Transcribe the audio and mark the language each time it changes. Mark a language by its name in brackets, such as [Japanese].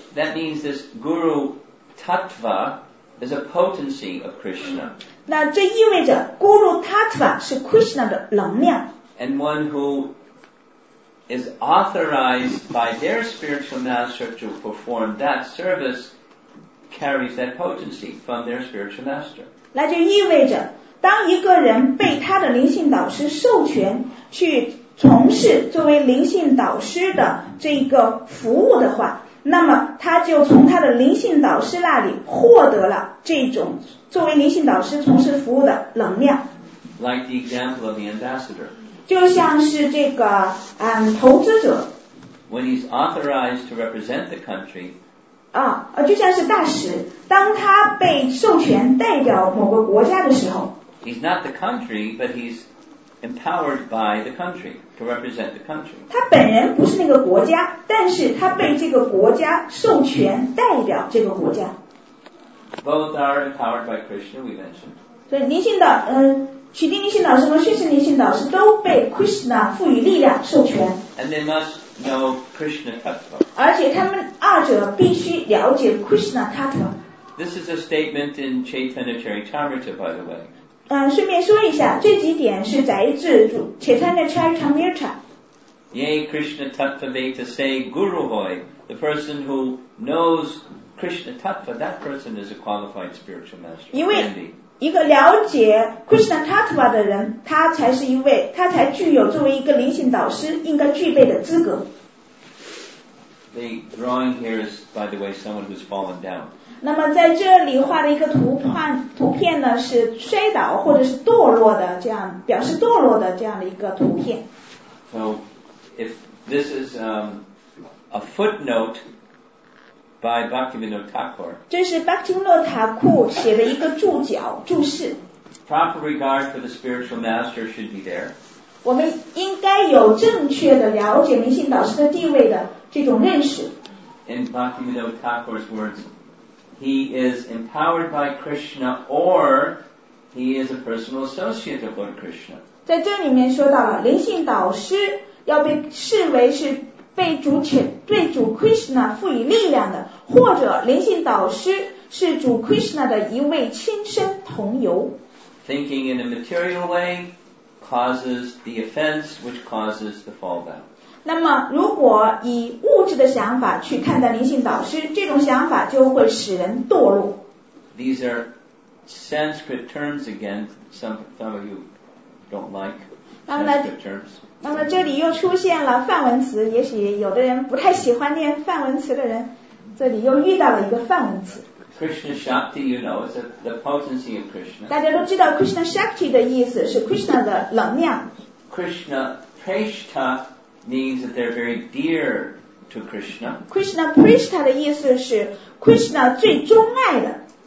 [English] That means this Guru Tattva is a potency of Krishna. [Chinese] 那这意味着 Guru Tattva 是 Krishna 的能量。 [English] And one who is authorized by their spiritual master to perform that service carries that potency from their spiritual master. [Chinese] 那就意味着当一个人被他的灵性导师授权去从事作为灵性导师的这个服务的话，那么他就从他的灵性导师那里获得了这种作为灵性导师从事服务的能量。 [English] Like the example of the ambassador. [Chinese] 就像是这个投资者。 [English] When he's authorized to represent the country. [Chinese] 就像是大使，当他被授权代表某个国家的时候， [English] He's not the country, but he's empowered by the country to represent the country. [Chinese] 他本人不是那个国家，但是他被这个国家授权代表这个国家。 [English] Both are empowered by Krishna, we mentioned. [Chinese] 所以灵性导，启迪灵性导师和虚实灵性导师都被 Krishna 赋予力量授权。 [English] And they must know Krishna Tattva. [Chinese] 而且他们二者必须了解 Krishna Tattva. [English] This is a statement in Chaitanya Charitamrita, by the way. [Chinese] 顺便说一下，这几点是摘自主且参的 Charitamrita。 [Bangla] Yea, Krishna Tattva Veta Se Guru Hoy. [English] The person who knows Krishna Tattva, that person is a qualified spiritual master. [Chinese] 因为一个了解 Krishna Tattva 的人，他才是一位，他才具有作为一个灵性导师应该具备的资格。 [English] The drawing here is, by the way, someone who's fallen down. [Chinese] 那么在这里画的一个图片呢，是摔倒或者是堕落的，这样表示堕落的这样的一个图片。 [English] So, if this is a footnote by Bhaktivinoda Thakur, [Chinese] 这是 Bhaktivinoda Thakur 写的一个注脚注释。 [English] Proper regard for the spiritual master should be there. [Chinese] 我们应该有正确的了解灵性导师的地位的这种认识。 [English] In Bhaktivinoda Thakur's words. He is empowered by Krishna, or he is a personal associate of Lord Krishna. [Chinese] 在这里面说到了，灵性导师要被视为是被主且对主 Krishna 赋予力量的，或者灵性导师是主 Krishna 的一位亲身同游。 [English] Thinking in a material way causes the offense, which causes the fallback. [Chinese] 那么如果以物质的想法去看待灵性导师，这种想法就会使人堕落。 [English] These are Sanskrit terms again. Some of you don't like Sanskrit terms. [Chinese] 那么这里又出现了梵文词，也许有的人不太喜欢念梵文词的人，这里又遇到了一个梵文词。 [English] Krishna Shakti, you know, is the potency of Krishna. [Chinese] 大家都知道 Krishna Shakti 的意思是 Krishna 的能量。 [English] Krishna Prishta,means that they're very dear to Krishna. [Chinese] Krishna Prishta 的意思是 Krishna 最钟爱的。